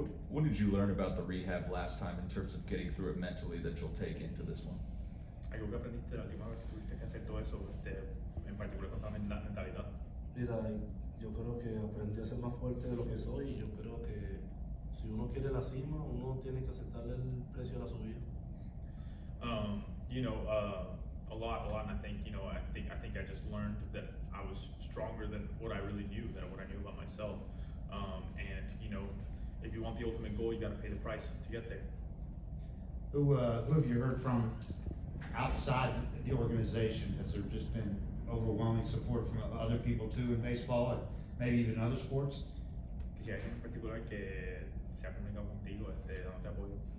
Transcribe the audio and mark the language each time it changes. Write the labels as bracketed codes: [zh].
[en] What did you learn about the rehab last time in terms of getting through it mentally that you'll take into this one? [es] Algo que aprendiste la última vez que tuviste que hacer todo eso, en particular con la mentalidad. Mira, yo creo que aprendí a ser más fuerte de lo que soy, y yo creo que si uno quiere la cima, uno tiene que aceptarle el precio de la subida. [en] You know, a lot, and I think, you know, I think I just learned that I was stronger than what I really knew, than what I knew about myself. And you know, if you want the ultimate goal, you got to pay the price to get there. Who have you heard from outside the organization? Has there just been overwhelming support from other people too in baseball and maybe even other sports? [es] Si hay alguien en particular que se ha comunicado contigo, dándote apoyo.